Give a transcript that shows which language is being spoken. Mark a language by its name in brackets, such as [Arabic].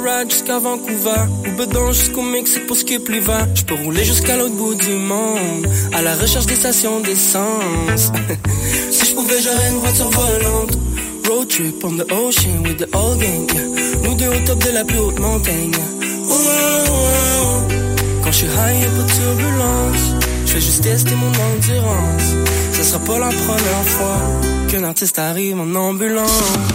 [French] Jusqu'à Vancouver, ou bedon jusqu'au Mexique pour ce qui est plus va. Je peux rouler jusqu'à l'autre bout du monde, à la recherche des stations d'essence. Si je pouvais, j'aurais une voiture volante. [English] Road trip on the ocean with the whole gang. [French] Nous deux au top de la plus haute montagne. Wow. Quand je suis high, y'a pas de turbulence. Je fais juste tester mon endurance. Ça sera pas la première fois qu'un artiste arrive en ambulance.